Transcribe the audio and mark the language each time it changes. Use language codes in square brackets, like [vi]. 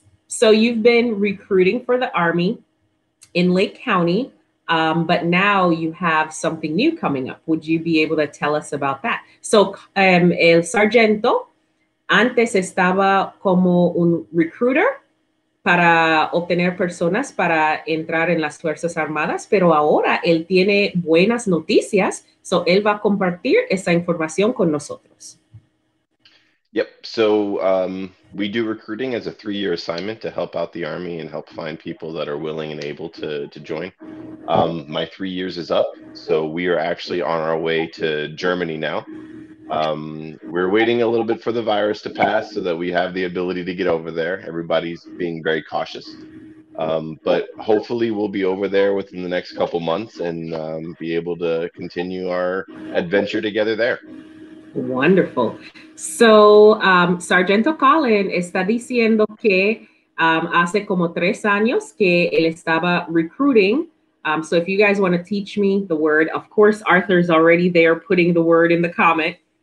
[en] So you've been recruiting for the Army in Lake County, but now you have something new coming up. Would you be able to tell us about that? [es] So el sargento antes estaba como un recruiter para obtener personas para entrar en las Fuerzas Armadas, pero ahora él tiene buenas noticias, so él va a compartir esa información con nosotros. [en] Yep. So we do recruiting as a 3-year assignment to help out the Army and help find people that are willing and able to join. My 3 years is up. So we are actually on our way to Germany now. We're waiting a little bit for the virus to pass so that we have the ability to get over there. Everybody's being very cautious. But hopefully we'll be over there within the next couple months and be able to continue our adventure together there. Wonderful. [es] So, Sargento Colin está diciendo que hace como 3 años que él estaba recruiting. [en] So if you guys want to teach me the word, of course, Arthur's already there putting the word in the comment.